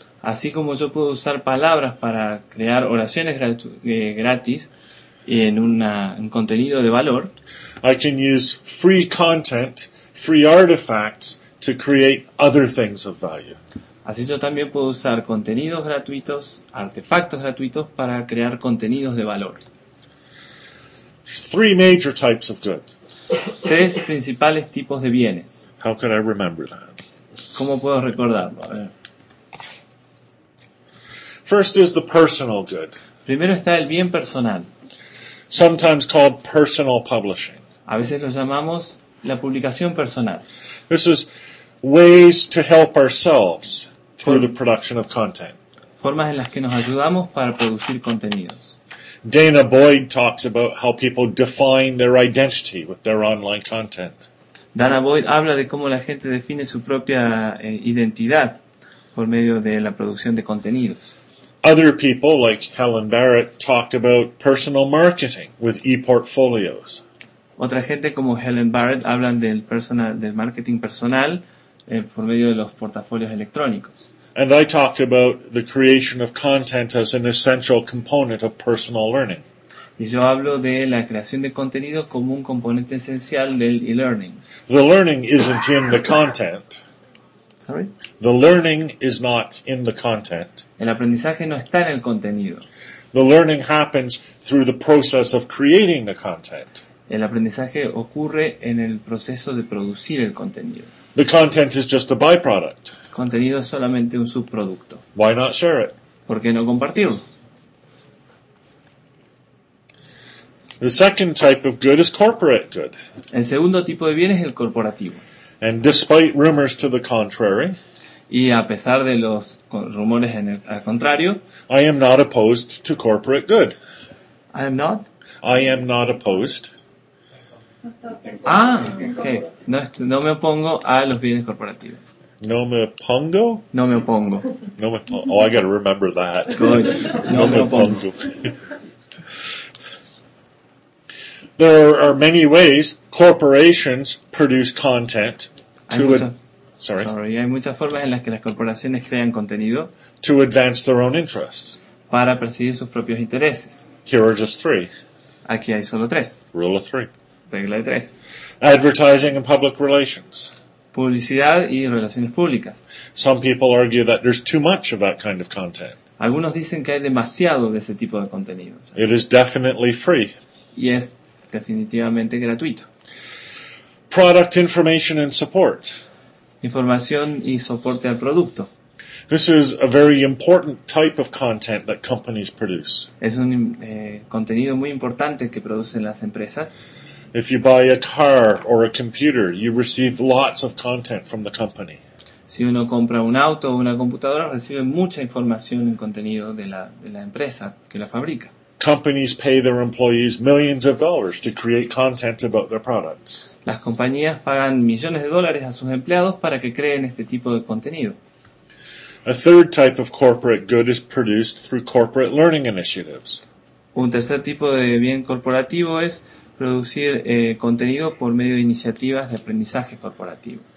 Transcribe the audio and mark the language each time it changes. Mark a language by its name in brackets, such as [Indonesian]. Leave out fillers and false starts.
[Spanish] así como yo puedo usar palabras para crear oraciones gratis en un contenido de valor, [English] I can use free content, free artifacts to create other things of value. [Spanish] Así yo también puedo usar contenidos gratuitos, artefactos gratuitos para crear contenidos de valor. [English] Three major types of good. [Spanish] Tres principales tipos de bienes. [English] How can I remember that? [Spanish] ¿Cómo puedo recordarlo? [English] First is the personal good. [Spanish] Primero está el bien personal. [English] Sometimes called personal publishing. [Spanish] A veces lo llamamos la publicación personal. [English] This is ways to help ourselves through the production of content. [Spanish] Formas en las que nos ayudamos para producir contenidos. [English] Dana Boyd talks about how people define their identity with their online content. [Spanish] Dana Boyd habla de cómo la gente define su propia identidad por medio de la producción de contenidos. [English] Other people, like Helen Barrett, talked about personal marketing with e-portfolios. [Spanish] Otra gente como Helen Barrett hablan del personal, del marketing personal por medio de los portafolios electrónicos. [English] And I talked about the creation of content as an essential component of personal learning. [Spanish] Y yo hablo de la creación de contenido como un componente esencial del e-learning. [English] The learning isn't in the content. Sorry? The learning is not in the content. [Spanish] El aprendizaje no está en el contenido. [English] The learning happens through the process of creating the content. [Spanish] El aprendizaje ocurre en el proceso de producir el contenido. [English] The content is just a byproduct. [Spanish] El contenido es solamente un subproducto. [English] Why not share it? [Spanish] ¿Por qué no compartirlo? [English] The second type of good is corporate good. [Spanish] El segundo tipo de bien es el corporativo. [English] And despite rumors to the contrary, [Spanish] y a pesar de los rumores en el, al contrario, [English] I am not opposed to corporate good. I am not? I am not opposed. Ah, okay. [Spanish] No, no me opongo a los bienes corporativos. No me opongo? No me opongo. No me opongo. [English] Oh, I got to remember that. [Spanish] Good. No, no me opongo. [English] There are many ways corporations produce content to [Spanish] Hay muchas formas en las que las corporaciones crean contenido [English] to advance their own interests. [Spanish] Para perseguir sus propios intereses. [English] Here are just three. [Spanish] Aquí hay solo tres. [English] Rule of three. [Spanish] Regla de tres. [English] Advertising and public relations. [Spanish] Publicidad y relaciones públicas. [English] Some people argue that there's too much of that kind of content. [Spanish] Algunos dicen que hay demasiado de ese tipo de contenido. [English] It is definitely free. [Spanish] Y es definitivamente gratuito. [English] Product information and support. [Spanish] Información y soporte al producto. [English] This is a very important type of content that companies produce. [Spanish] Es un contenido muy importante que producen las empresas. [English] If you buy a car or a computer, you receive lots of content from the company. [Spanish] Si uno compra un auto o una computadora, recibe mucha información y contenido de la empresa que la fabrica. [English] Companies pay their employees millions of dollars to create content about their products. [Spanish] Las compañías pagan millones de dólares a sus empleados para que creen este tipo de contenido. [English] A third type of corporate good is produced through corporate learning initiatives. [Spanish] Un tercer tipo de bien corporativo es producir contenido por medio de iniciativas de aprendizaje corporativo.